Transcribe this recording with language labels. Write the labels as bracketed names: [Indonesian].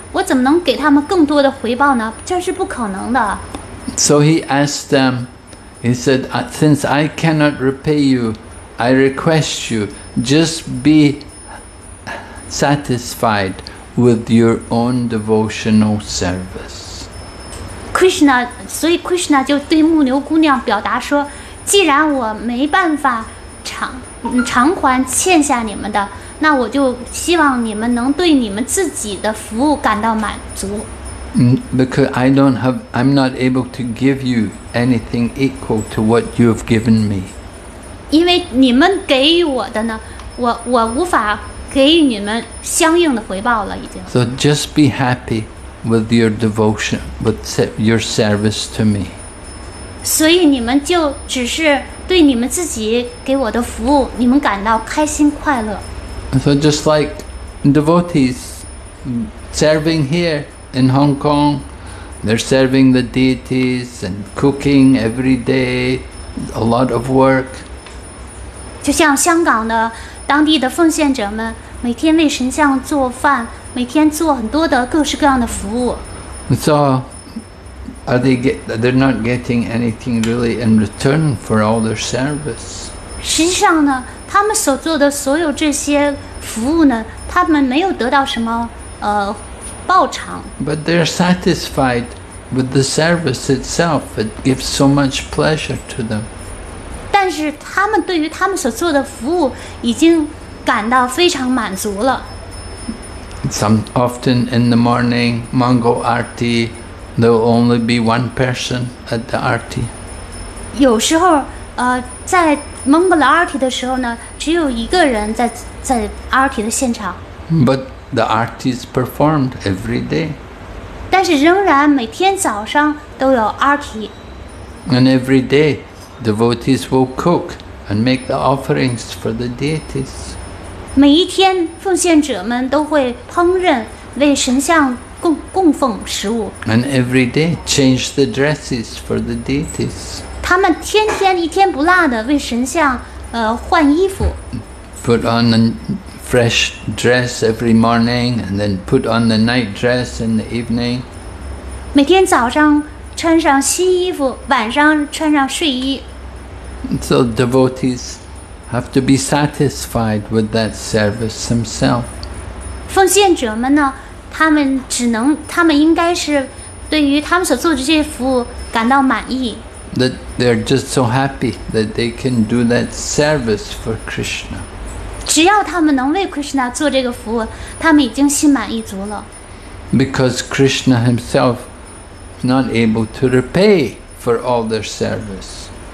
[Chinese] 我怎么能给他们更多的回报呢？这是不可能的。 [English] So he asked them. He said, "Since I cannot repay you, I request you just be satisfied with your own devotional service." Krishna, so Krishna [Chinese] 就对牧牛姑娘表达说。既然我没办法偿还欠下你们的，那我就希望你们能对你们自己的服务感到满足。 [English] Because I'm not able to give you anything equal to what you have given me. [Chinese] 因为你们给予我的呢，我无法给予你们相应的回报了，已经。 [English] So just be happy with your devotion, with your service to me. [Chinese] 所以你们就只是对你们自己给我的服务，你们感到开心快乐。 [English] So just like devotees serving here in Hong Kong, they're serving the deities and cooking every day, a lot of work. [Chinese] 就像香港的当地的奉献者们，每天为神像做饭，每天做很多的各式各样的服务。 [English] So. They're not getting anything really in return for all their service. [Chinese] 实际上呢，他们所做的所有这些服务呢，他们没有得到什么报偿。 [English] But they're satisfied with the service itself. It gives so much pleasure to them. [Chinese] 但是他们对于他们所做的服务已经感到非常满足了。 [English] Some often in the morning, Mangal Arti. There will only be one person at the arti. [Chinese] 有时候，在蒙古拉阿提的时候呢，只有一个人在阿提的现场。 [English] But the arti is performed every day. [Chinese] 但是仍然每天早上都有阿提。 [English] And every day, devotees will cook and make the offerings for the deities. [Chinese] 每一天, 奉献者们都会烹饪, 为神像供奉食物, [English] and every day change the dresses for the deities. [Chinese] 他们天天一天不落的为神像, [English] put on a fresh dress every morning and then put on the night dress in the evening. [Chinese] 每天早上穿上新衣服, 晚上穿上睡衣。 [English] So devotees have to be satisfied with that service themselves. [Chinese] 奉献者们呢, 他们只能, 他们应该是对于他们所做的这些服务感到满意。 [English] That they're just so happy that they can do that service for Krishna. [Chinese] 只要他们能为Krishna做这个服务, 他们已经心满意足了。 [English] Because Krishna himself is not able to repay for all their service.